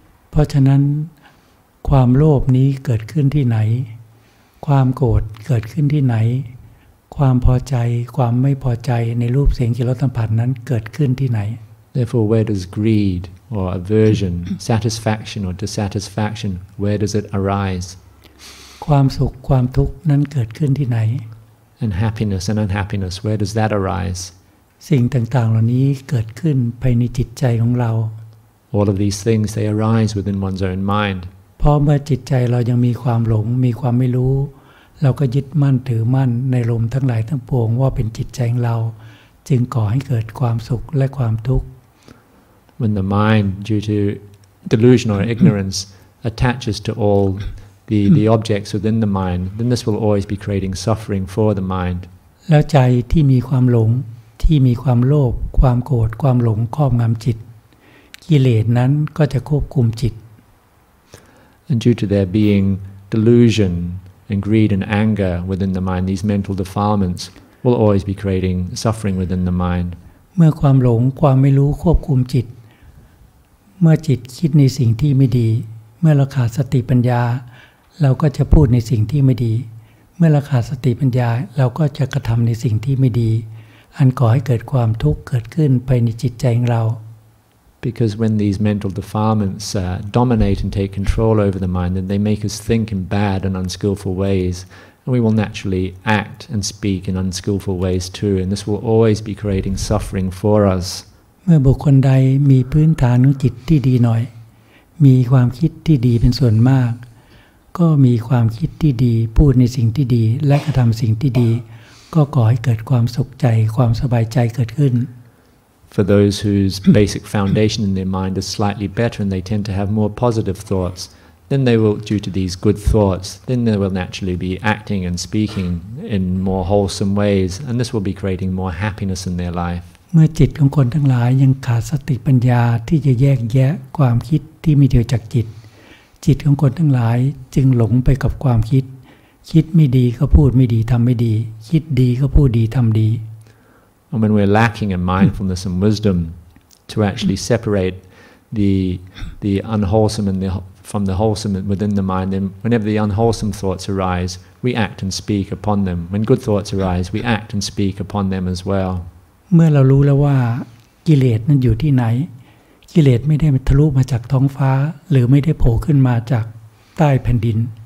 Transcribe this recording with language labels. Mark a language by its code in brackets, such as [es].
[th] เพราะฉะนั้นความโลภนี้เกิดขึ้นที่ไหนความโกรธเกิดขึ้นที่ไหนความพอใจความไม่พอใจในรูปเสียงกลิ่นรสสัมผัสนั้นเกิดขึ้นที่ไหน [en] Therefore, where does greed or aversion, satisfaction or dissatisfaction, where does it arise? [th] ความสุขความทุกข์นั้นเกิดขึ้นที่ไหน [en] And happiness and unhappiness, where does that arise? [th] สิ่งต่างๆเหล่านี้เกิดขึ้นภายในจิตใจของเรา [en] All of these things they arise within one's own mind [th] เพราะเมื่อจิตใจเรายังมีความหลงมีความไม่รู้เราก็ยึดมั่นถือมั่นในลมทั้งหลายทั้งปวงว่าเป็นจิตใจของเราจึงก่อให้เกิดความสุขและความทุกข์ [en] When the mind due to delusion or ignorance attaches to all the objects within the mind then this will always be creating suffering for the mind [th] แล้วใจที่มีความหลงที่มีความโลภความโกรธความหลงครอบงำจิตกิเลสนั้นก็จะควบคุมจิต [en] And due to there being delusion and greed and anger within the mind these mental defilements will always be creating suffering within the mind [th] เมื่อความหลงความไม่รู้ควบคุมจิตเมื่อจิตคิดในสิ่งที่ไม่ดีเมื่อเราขาดสติปัญญาเราก็จะพูดในสิ่งที่ไม่ดีเมื่อเราขาดสติปัญญาเราก็จะกระทำในสิ่งที่ไม่ดีอันก่อให้เกิดความทุกข์เกิดขึ้นภายในจิตใจของเรา [en] Because when these mental defilements dominate and take control over the mind then they make us think in bad and unskillful ways and we will naturally act and speak in unskillful ways too and this will always be creating suffering for us [th] เมื่อบุคคลใดมีพื้นฐานของจิตที่ดีหน่อยมีความคิดที่ดีเป็นส่วนมากก็มีความคิดที่ดีพูดในสิ่งที่ดีและกระทำสิ่งที่ดีก็ก่อให้เกิดความสุขใจความสบายใจเกิดขึ้น [en] For those whose basic foundation in their mind is slightly better and they tend to have more positive thoughts then they will due to these good thoughts then they will naturally be acting and speaking in more wholesome ways and this will be creating more happiness in their life [th] เมื่อจิตของคนทั้งหลายยังขาดสติปัญญาที่จะแยกแยะความคิดที่มีเดียวจากจิตจิตของคนทั้งหลายจึงหลงไปกับความคิดคิดไม่ดีก็พูดไม่ดีทำไม่ดีคิดดีก็พูดดีทำดี [en] And when we're lacking in mindfulness and wisdom to actually separate the unwholesome and from the wholesome within the mind then whenever the unwholesome thoughts arise we act and speak upon them when good thoughts arise we act and speak upon them as well [th] เมื่อเรารู้แล้วว่ากิเลสนั้นอยู่ที่ไหนกิเลสไม่ได้ทะลุมาจากท้องฟ้าหรือไม่ได้โผล่ขึ้นมาจากใต้แผ่นดิน